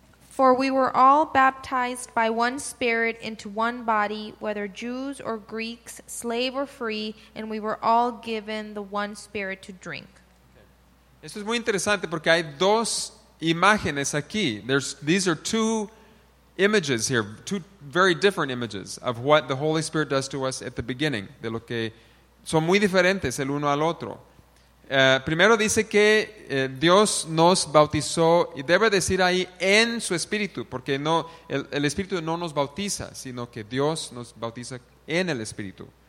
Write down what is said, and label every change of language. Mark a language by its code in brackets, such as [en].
[en] For we were all baptized by one Spirit into one body, whether Jews or Greeks, slave or free, and we were all given the one Spirit to drink. Okay. [es] Esto es muy interesante porque hay dos imágenes aquí. [en] These are two images here, two very different images of what the Holy Spirit does to us at the beginning. [es] De lo que son muy diferentes el uno al otro. Primero dice que Dios nos bautizó, y debe decir ahí en su espíritu, porque no, el espíritu no nos bautiza, sino que Dios nos bautiza en el espíritu.